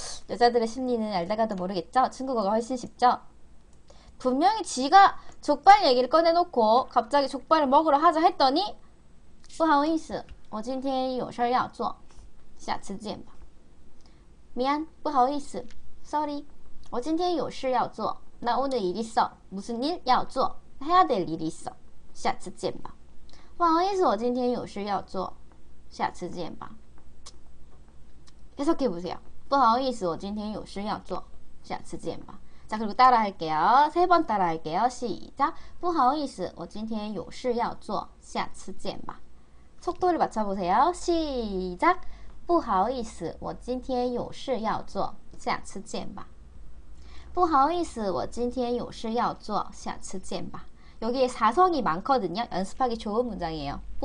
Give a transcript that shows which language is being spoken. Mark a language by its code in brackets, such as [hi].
[ko] 여자들의 심리는 알다가도 모르겠죠? 중국어가 훨씬 쉽죠? 분명히 지가 족발 얘기를 꺼내놓고 갑자기 족발을 먹으러 하자 했더니, [zh] 不好意思，我今天有事要做，下次见吧。 [ko] 미안, 不好意思, sorry, [zh] 我今天有事要做， [ko] 나 오늘 일 있어, 무슨 일? 要做, 해야 될 일이 있어, [zh] 下次见吧。不好意思，我今天有事要做。下次见吧。 [ko] 계속해보세요。 [zh] 不好意思，我今天有事要做。下次见吧。 [ko] 자그리고따라할게요。 세번따라할게요。 시작。 [zh] 不好意思，我今天有事要做。下次见吧。 [ko] 속도를맞춰보세요。 시작。 [zh] 不好意思，我今天有事要做。下次见吧。不好意思，我今天有事要做。下次见吧。 [ko] 여기에 사성이 많거든요. 연습하기 좋은 문장이에요.